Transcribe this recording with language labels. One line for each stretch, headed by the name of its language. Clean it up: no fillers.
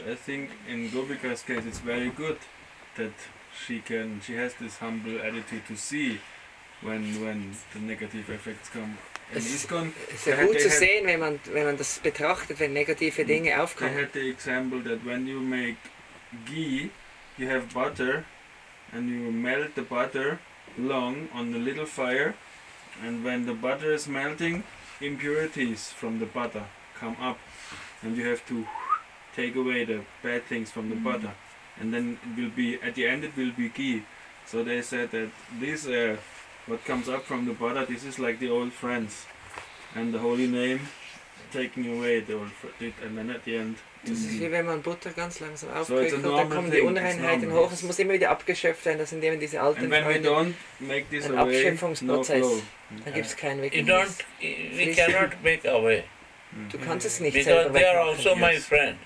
English: I think in Gopika's case it's very good that she has this humble attitude to see when the negative effects come.
German: Es ist gut zu sehen, wenn man das betrachtet, wenn negative Dinge aufkommen.
English: They had the example that when you make ghee, you have butter and you melt the butter long on a little fire, and when the butter is melting, impurities from the butter come up and you have to take away the bad things from the butter, and then it will be, at the end it will be ghee. So they said that this what comes up from the butter, this is like the old friends and the holy name taking away the old friends, and then at the end
German: das ist wie wenn man Butter ganz langsam aufkriegt und dann kommen die Unreinheiten hoch, es muss immer wieder abgeschöpft werden, das sind eben diese alten Freunde, ein Abschöpfungsprozess, da gibt es keinen Weg.
English: We cannot make away.
German: Du kannst es nicht
English: because
German: selber wegmachen.
English: They are also my friend.